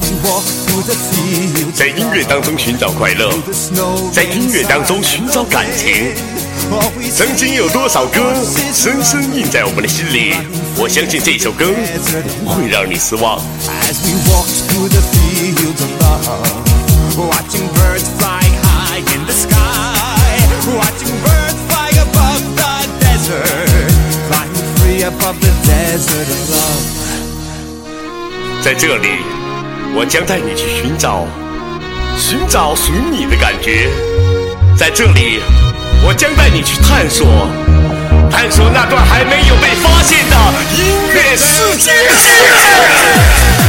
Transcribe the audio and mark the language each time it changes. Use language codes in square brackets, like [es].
[en] As we walk through the fields, [zh] 在音乐当中寻找快乐，在音乐当中寻找感情。曾经有多少歌深深印在我们的心里，我相信这首歌不会让你失望。 [en] As we walk through the fields of love, watching birds fly high in the sky, watching birds fly above the desert, flying free above the desert of love. [zh] 在这里我将带你去寻找，寻找属于你的感觉。在这里我将带你去探索，探索那段还没有被发现的音乐世界。